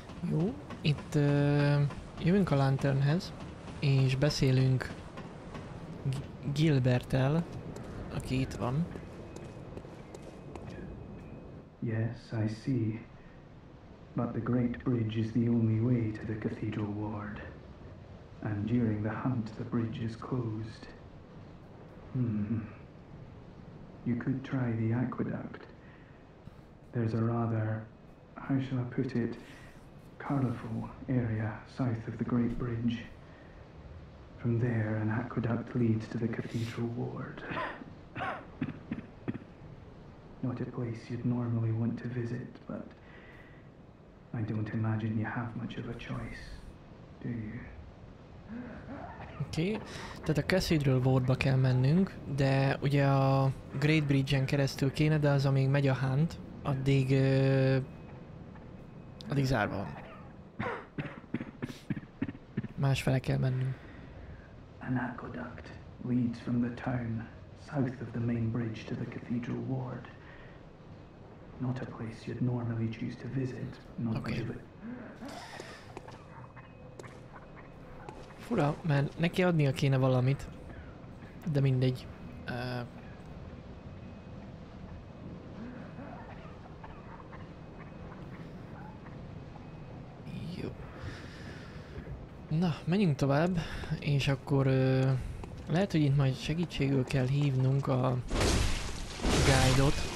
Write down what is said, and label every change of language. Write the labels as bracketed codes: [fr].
[hu] Jó, itt jövünk a Lanternhez, és beszélünk Gilberttel, aki itt van. [en] Yes, I see. But the Great Bridge is the only way to the Cathedral Ward. And during the hunt, the bridge is closed. You could try the aqueduct. There's a rather, how shall I put it, colorful area south of the Great Bridge. From there, an aqueduct leads to the Cathedral Ward. Not a place you'd normally want to visit, but I don't imagine you have much of a choice, do you? Oké, okay. [hu] Tehát a Cathedral Wardba kell mennünk, de ugye a Great Bridge-en keresztül kéne, de az, amíg megy a hunt, addig... addig zárva van. Másfele kell mennünk. [en] An aqueduct leads from the town, south of the main bridge to the Cathedral Ward. Not a place you'd normally choose to visit, not much of it. [hu] Ura, mert neki adnia kéne valamit, de mindegy. Jó. Na, menjünk tovább, és akkor lehet, hogy itt majd segítségül kell hívnunk a guide-ot.